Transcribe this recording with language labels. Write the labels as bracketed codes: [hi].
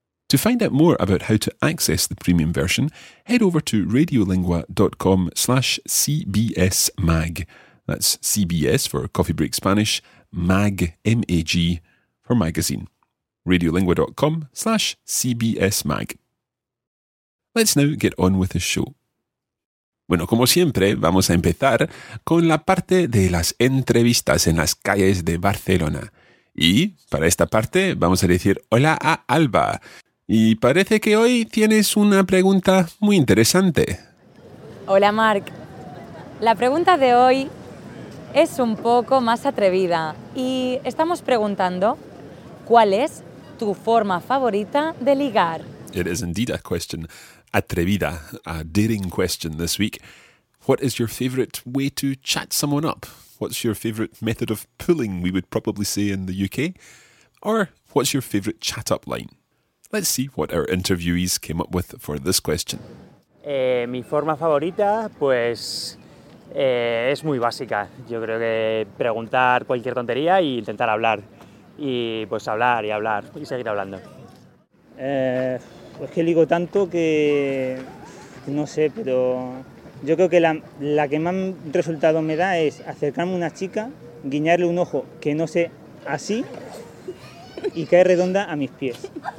[en] To find out more about how to access the premium version, head over to radiolingua.com/CBSMag. That's CBS for Coffee Break Spanish, MAG, M-A-G, for magazine. radiolingua.com/CBSMag. Let's now get on with the show. [es] Bueno, como siempre, vamos a empezar con la parte de las entrevistas en las calles de Barcelona. Y para esta parte vamos a decir hola a Alba. Y parece que hoy tienes una pregunta muy interesante. Hola, Marc. La pregunta de hoy es un poco más atrevida y estamos preguntando ¿cuál es tu forma favorita de ligar? [en] It is indeed a question, atrevida, a daring question this week. What is your favorite way to chat someone up? What's your favorite method of pulling, we would probably say in the UK? Or what's your favorite chat up line? Let's see what our interviewees came up with for this question. [es] Mi forma favorita, pues, es muy básica. Yo creo que preguntar cualquier tontería e intentar hablar. Y pues hablar y hablar y seguir hablando. Pues que ligo tanto que no sé, pero yo creo que la que más resultado me da es acercarme a una chica, guiñarle un ojo que no sé así y cae redonda a mis pies.